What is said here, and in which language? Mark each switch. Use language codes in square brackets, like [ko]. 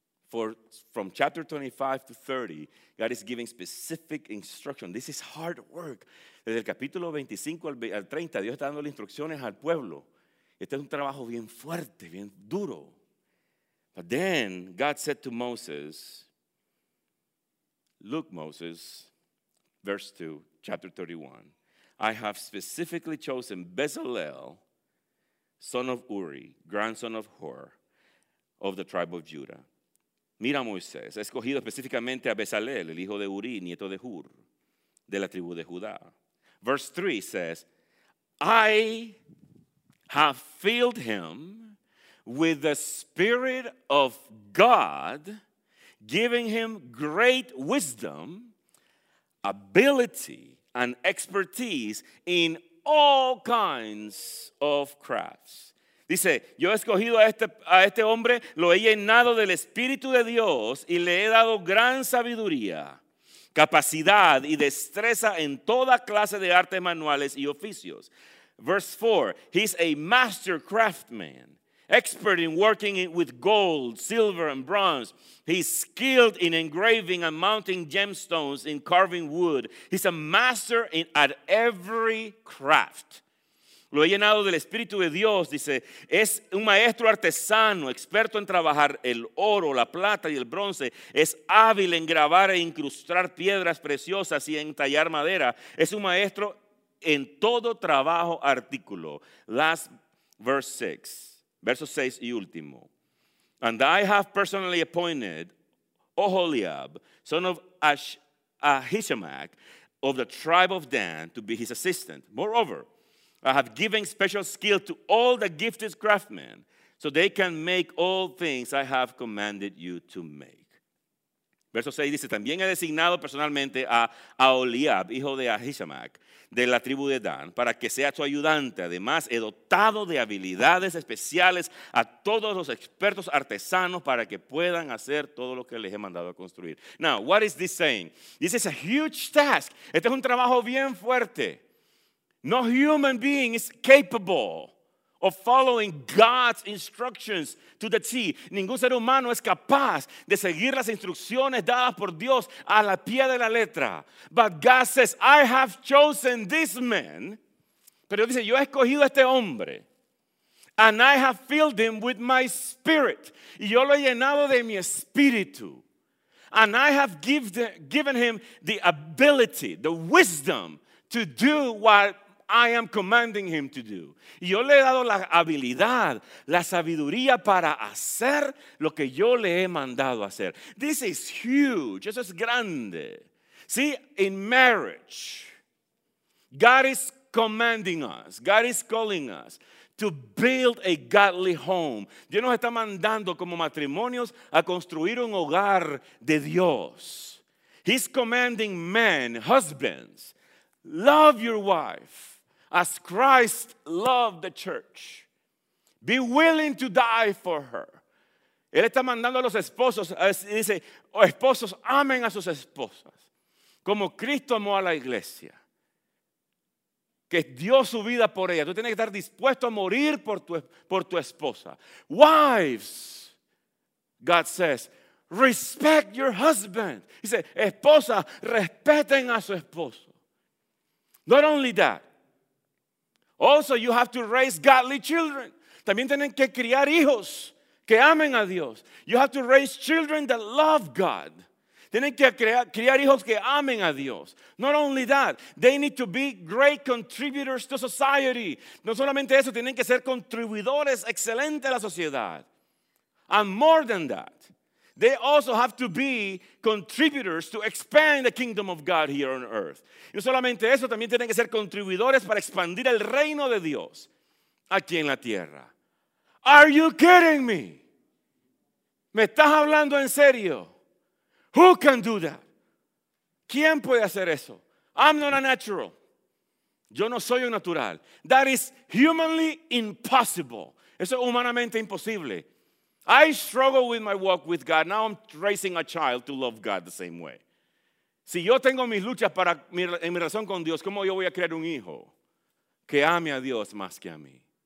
[en] From chapter 25 to 30, God is giving specific instruction. This is hard work. [es] Desde el capítulo 25 al 30, Dios está dando las instrucciones al pueblo. Este es un trabajo bien fuerte, bien duro. [en] But then God said to Moses, look, Moses, verse 2, chapter 31. I have specifically chosen Bezalel, son of Uri, grandson of Hur, of the tribe of Judah. [es] Mira, Moisés, he escogido específicamente a Bezalel, el hijo de Uri, nieto de Hur, de la tribu de Judá. [en] Verse 3 says, I have filled him with the Spirit of God, giving him great wisdom, ability, and expertise in all kinds of crafts. [es] Dice, yo he escogido a este hombre, lo he llenado del Espíritu de Dios y le he dado gran sabiduría, capacidad y destreza en toda clase de artes manuales y oficios. [en] Verse 4, he's a master craftsman, expert in working with gold, silver and bronze. He's skilled in engraving and mounting gemstones in carving wood. He's a master at every craft. [es] Lo he llenado del Espíritu de Dios, dice, es un maestro artesano, experto en trabajar el oro, la plata y el bronce. Es hábil en grabar e incrustar piedras preciosas y en tallar madera. Es un maestro en todo trabajo artículo. [en] Last verse 6, [es] verso 6 y último. [en] And I have personally appointed Oholiab, son of Ahishamach, of the tribe of Dan, to be his assistant. Moreover, I have given special skill to all the gifted craftsmen so they can make all things I have commanded you to make. [es] Verso 6 dice, también he designado personalmente a Aholiab, hijo de Ahishamach, de la tribu de Dan, para que sea tu ayudante. Además, he dotado de habilidades especiales a todos los expertos artesanos para que puedan hacer todo lo que les he mandado a construir. [en] Now, what is this saying? This is a huge task. [es] Este es un trabajo bien fuerte. [en] No human being is capable of following God's instructions to the T. [es] Ningún ser humano es capaz de seguir las instrucciones dadas por Dios a la pie de la letra. [en] But God says, I have chosen this man. [es] Pero dice, yo he escogido a este hombre. [en] And I have filled him with my spirit. [es] Y yo lo he llenado de mi espíritu. [en] And I have given him the ability, the wisdom to do what I am commanding him to do. [es] Y yo le he dado la habilidad, la sabiduría para hacer lo que yo le he mandado hacer. [en] This is huge. [es] Eso es grande. [en] See, in marriage, God is commanding us. God is calling us to build a godly home. [es] Dios nos está mandando como matrimonios a construir un hogar de Dios. [en] He's commanding men, husbands, love your wife as Christ loved the church. Be willing to die for her. [es] Él está mandando a los esposos, dice, esposos, amen a sus esposas como Cristo amó a la iglesia. Que dio su vida por ella. Tú tienes que estar dispuesto a morir por tu esposa. [en] Wives, God says, respect your husband. He says, [es] esposa, respeten a su esposo. [en] Not only that. Also, you have to raise godly children. [es] También tienen que criar hijos que amen a Dios. [en] You have to raise children that love God. [es] Tienen que criar hijos que amen a Dios. [en] Not only that, they need to be great contributors to society. [es] No solamente eso, tienen que ser contribuidores excelentes a la sociedad. [en] And more than that, they also have to be contributors to expand the kingdom of God here on earth. [es] No solamente eso, también tienen que ser contribuidores para expandir el reino de Dios aquí en la tierra. [en] Are you kidding me? [es] ¿Me estás hablando en serio? [en] Who can do that? [es] ¿Quién puede hacer eso? [en] I'm not a natural. [es] Yo no soy un natural. [en] That is humanly impossible. [es] Eso es humanamente imposible. [en] I struggle with my walk with God. Now I'm raising a child to love God the same way. [es] Si yo tengo mis luchas para en mi relación con Dios, ¿cómo yo voy a crear un hijo que ame a Dios más que a mí?